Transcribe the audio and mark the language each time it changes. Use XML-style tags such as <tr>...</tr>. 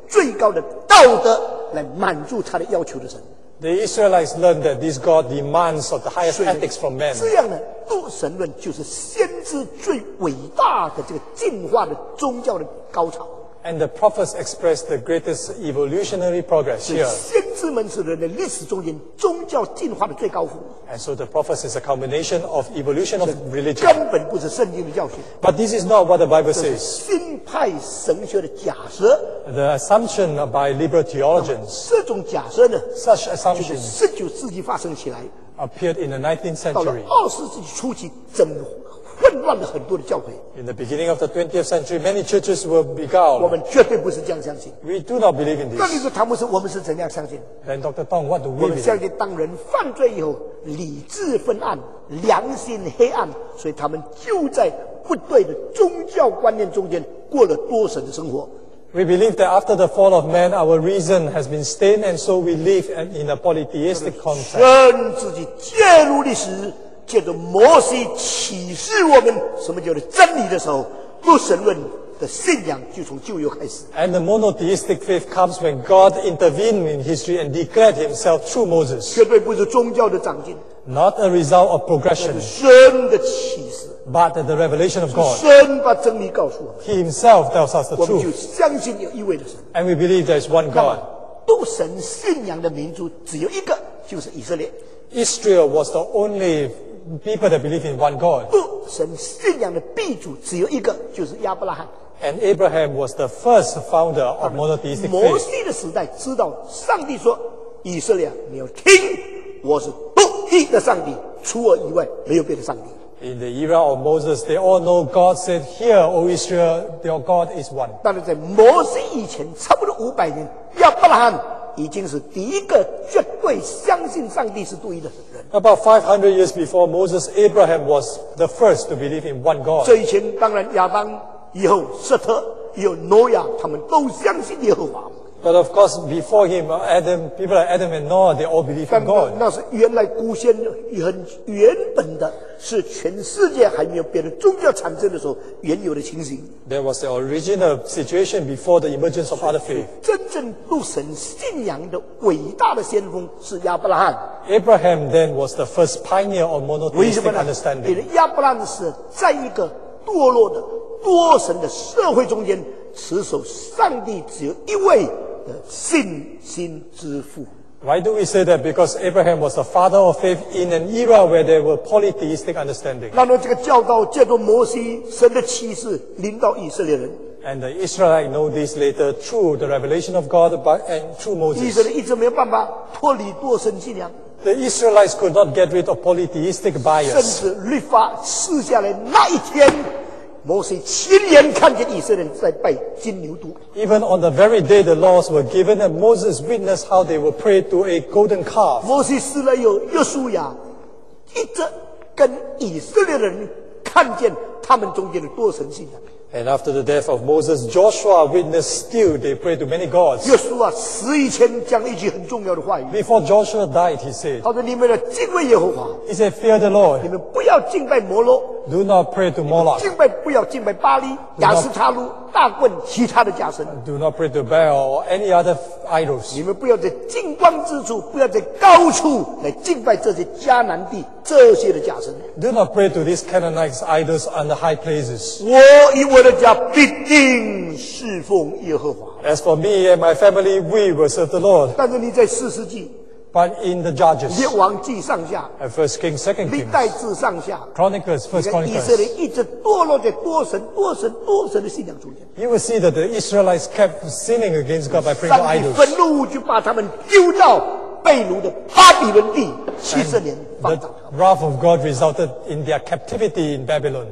<zh>以色列人从先知口中知道这位独一的神是要人有最高的道德来满足他的要求的神。</zh> <en>The Israelites learned that this God demands of the highest ethics from men.</en> <zh>这样呢，独神论就是先知最伟大的这个进化的宗教的高潮。</zh> <en>And the prophets expressed the greatest evolutionary progress here.</en> <zh>先知们是人类历史中间宗教进化的最高峰。</zh> <en>And so the prophets is a combination of evolution of religion.</en> <zh>根本不是圣经的教训。</zh> <en>But this is not what the Bible says.</en> <zh>这是新派神学的假设。</zh> <en>The assumption by liberal theologians.</en> <zh>这种假设呢，</zh> <en>such assumptions.</en> <zh>就是19世纪发生起来。</zh> <en>Appeared in the 19th century.</en> <zh>到了20世纪初期， 混乱了很多的教会。</zh> <en>In the beginning of the 20th century, many churches were beguiled.</en> <zh>我们绝对不是这样相信。</zh> <en>We do not believe in this.</en> <zh>那你说唐牧师， 我们是怎样相信？</zh> <en>Then Dr. Tong, what do we believe?</en> <zh>我们相信当人犯罪以后， 理智昏暗， 良心黑暗， 所以他们就在不对的宗教观念中间过了多神的生活。</zh> <en>We believe that after the fall of man, our reason has been stained, and so we live in a polytheistic context.</en> <zh>神自己介入历史，借着摩西启示我们什么叫做真理的时候，不神论的信仰就从旧约开始。</zh> <en>And the monotheistic faith comes when God intervened in history and declared himself through Moses.</en> <zh>绝对不是宗教的长进，</zh> <en>Not a result of progression，</en> <zh>是神的启示，</zh> <en>But the revelation of God，</en> <zh>神把真理告诉我们，</zh> <en>He himself tells us the truth，</en> <zh>我们就相信有一位的神，</zh> <en>And we believe there is one God。</en> <zh>独神信仰的民族只有一个，就是以色列。</zh> <en>Israel was the only people that believed in one God.</en> <zh>不，神信仰的鼻祖只有一个，就是亚伯拉罕。</zh> <en>And Abraham was the first founder of monotheistic faith.</en> <zh>摩西的时代知道上帝说，以色列，你要听，我是独一的上帝，除我以外没有别的上帝。</zh> <en>In the era of Moses, they all know God said, "Hear, O Israel, your God is one."</en> <zh>但是在摩西以前，差不多五百年，亚伯拉罕已经是第一个绝对相信上帝是独一的人。</zh> <en>About 500 years before Moses, Abraham was the first to believe in one God.</en> <zh>这以前当然亚当以后瑟特以后挪亚他们都相信耶和华。</zh> <en>But of course, before him, Adam, people like Adam and Noah, they all believed in God.</en> <zh>那是原来古先很原本的，是全世界还没有别的宗教产生的时候原有的情形。</zh> <en>There was the original situation before the emergence of other faith.</en> <zh>真正入神信仰的伟大的先锋是亚伯拉罕。</zh> <en>Abraham then was the first pioneer of monotheistic understanding.</en> <zh>为什么呢？亚伯拉罕是在一个堕落的多神的社会中间，持守上帝只有一位的信心之父。</zh> <en>Why do we say that? Because Abraham was the father of faith in an era where there were polytheistic understanding.</en> <zh>那么这个教导借着摩西，神的启示临到以色列人。</zh> <en>And the Israelites know this later through the revelation of God and through Moses.</en> <zh>以色列一直没有办法脱离多神信仰。</zh> <en>The Israelites could not get rid of polytheistic bias.</en> <zh>甚至律法赐下来那一天，摩西亲眼看见以色列在拜金牛犊。</zh> <en>Even on the very day the laws were given, and Moses witnessed how they were prayed to a golden calf.</en> <zh>摩西死了以后，约书亚一直跟以色列人看见他们中间的多神信仰。</zh> <en>And after the death of Moses, Joshua witnessed still they prayed to many gods.</en> <zh>约书亚死以前讲一句很重要的话语。</zh> <en>Before Joshua died, he said.</en> <zh>他说你们要敬畏耶和华。</zh> <en>He said, "Fear the Lord."</en> <zh>你们不要敬拜摩洛。</zh> <en>Do not pray to Moloch.</en> <zh>敬拜不要敬拜巴利、亚斯塔鲁、大棍、其他的假神。</zh> <en>Do not pray to Baal or any other idols.</en> <zh>你们不要在近光之处，不要在高处来敬拜这些迦南地这些的假神。</zh> <en>Do not pray to these Canaanite idols on the high places.</en> <zh>我与我的家必定侍奉耶和华。</zh> <en>As for me and my family, we will serve the Lord.</en> <zh>但是你在四世纪。</zh> <en>But in the Judges,</en> <zh>列王记上下</zh> <en>First King, Second Kings,</en> <zh>历代志上下</zh> <en>Chronicles, First Chronicles,</en> <zh>以色列一直堕落在多神、多神、多神的信仰中间。</zh> <en>You will see that the Israelites kept sinning against God by praying to idols.</en> <zh>上帝愤怒就把他们丢到被掳的巴比伦地70年。</zh> <en>The wrath of God resulted in their captivity in Babylon.</en>